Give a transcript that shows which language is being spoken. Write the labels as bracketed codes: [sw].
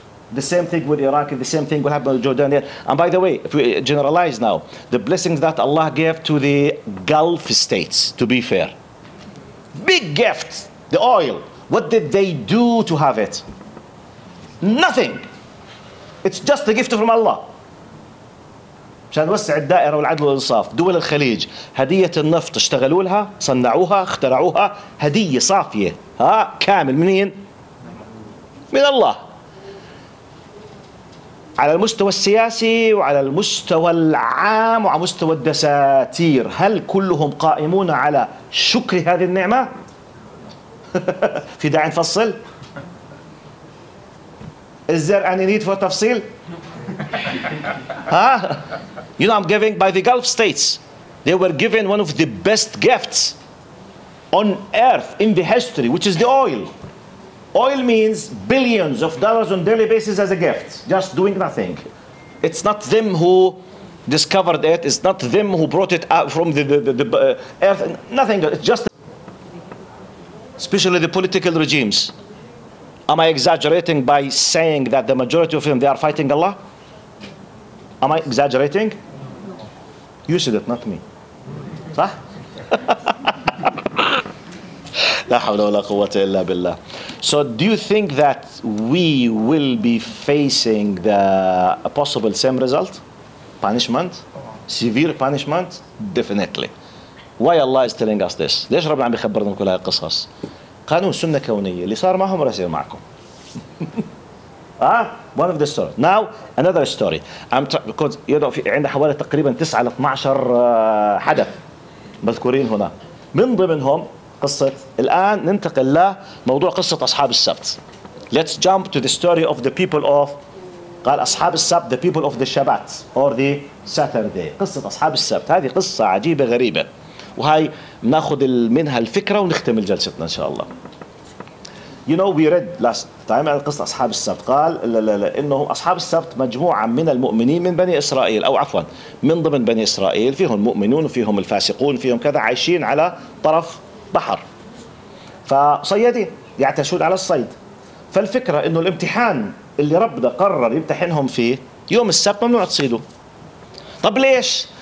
[en] The same thing with Iraq, the same thing will happen with Jordan. And by the way, if we generalize now, the blessings that Allah gave to the Gulf states, to be fair, big gift, the oil, what did they do to have it? Nothing. It's just a gift from Allah. [ar] عشان نوسع الدائرة والعدل والإنصاف، دول الخليج هدية النفط اشتغلوا لها، صنعوها، اخترعوها، هدية صافية، ها كامل منين؟ من الله. على المستوى السياسي وعلى المستوى العام وعلى مستوى الدساتير، هل كلهم قائمون على شكر هذه النعمة؟ في داعي نفصل؟ [en] Is there any need for [ar] تفصيل؟ Huh? [en] You know, I'm giving by the Gulf states. They were given one of the best gifts on earth in the history, which is the oil. Oil means billions of dollars on daily basis as a gift, just doing nothing. It's not them who discovered it. It's not them who brought it out from the earth. Nothing. It's just, especially the political regimes. Am I exaggerating by saying that the majority of them, they are fighting Allah? Am I exaggerating? No. You said it, not me. [ar] صح؟ لا حول ولا قوة إلا بالله. [en] So do you think that we will be facing a possible same result? Punishment? Severe punishment? Definitely. Why Allah is telling us this? [ar] ليش ربنا عم بيخبرنا كل هاي القصص؟ قانون سنة كونية اللي صار معهم رسير معكم. [en] One of the stories. Now another story. Because you know, [ar] في عندنا حوالي تقريبا 9 إلى 12 حدث مذكورين هنا. من ضمنهم قصة. الآن ننتقل لموضوع قصة أصحاب السبت. [en] Let's jump to the story of the people of. [ar] قال أصحاب السبت, [en] the people of the Shabbat or the Saturday. [ar] قصة أصحاب السبت. هذه قصة عجيبة غريبة. وهاي نأخذ منها الفكرة ونختم جلستنا إن شاء الله. [en] You know, we read last time [ar] القصة أصحاب السبت. قال إنه أصحاب السبت مجموعة من المؤمنين من بني إسرائيل, أو عفوا من ضمن بني إسرائيل, فيهم المؤمنون وفيهم الفاسقون, فيهم كذا, عايشين على طرف بحر, فصيادين يعتشون على الصيد. فالفكرة إنه الامتحان اللي ربنا قرر يمتحنهم فيه يوم السبت ممنوع تصيدوا. طب ليش؟